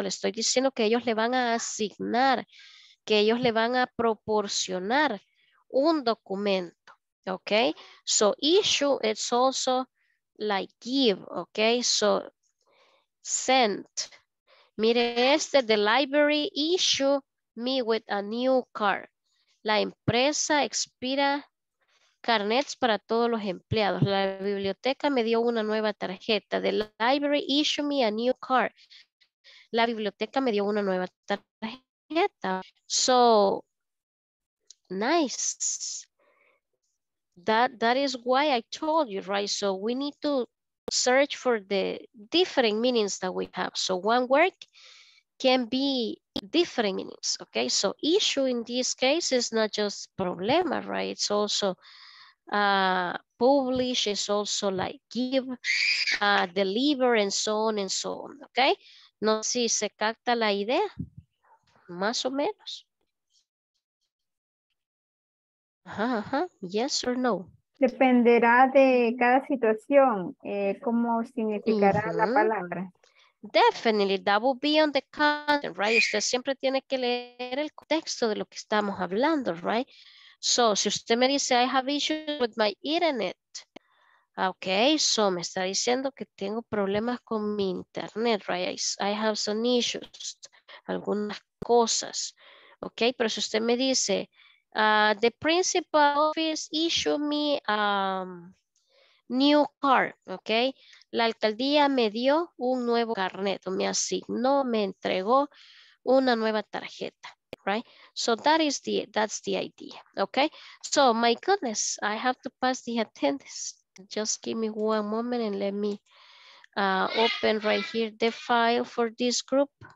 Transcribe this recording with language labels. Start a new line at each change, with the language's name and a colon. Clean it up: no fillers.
Spanish: Le estoy diciendo que ellos le van a asignar, que ellos le van a proporcionar un documento.
English: Okay, so issue, it's also like give, okay, so sent.
Spanish: Mire este,
English: the library issue me with a new card.
Spanish: La empresa expira carnets para todos los empleados. La biblioteca me dio una nueva tarjeta.
English: The library issue me a new card.
Spanish: La biblioteca me dio una nueva tarjeta.
English: So, nice. That is why I told you, right? So we need to search for the different meanings that we have. So one word can be different meanings, okay? So issue in this case is not just problema, right? It's also publish, it's also like give, deliver, and so on and so on, okay?
Spanish: No sé si se capta la idea, más o menos.
English: Yes or no.
Spanish: Dependerá de cada situación, cómo significará la palabra.
English: Definitely, that will be on the content, right?
Spanish: Usted siempre tiene que leer el contexto de lo que estamos hablando, right? So, si usted me dice,
English: I have issues with my internet.
Spanish: Okay, so me está diciendo que tengo problemas con mi internet, right?
English: I have some issues,
Spanish: algunas cosas.
English: Okay,
Spanish: pero si usted me dice,
English: the principal office issued me a new card, okay?
Spanish: La alcaldía me dio un nuevo carnet, me asignó, me entregó una nueva tarjeta, right?
English: So that's the idea, okay? So my goodness, I have to pass the attendance. Just give me one moment and let me open right here the file for this group.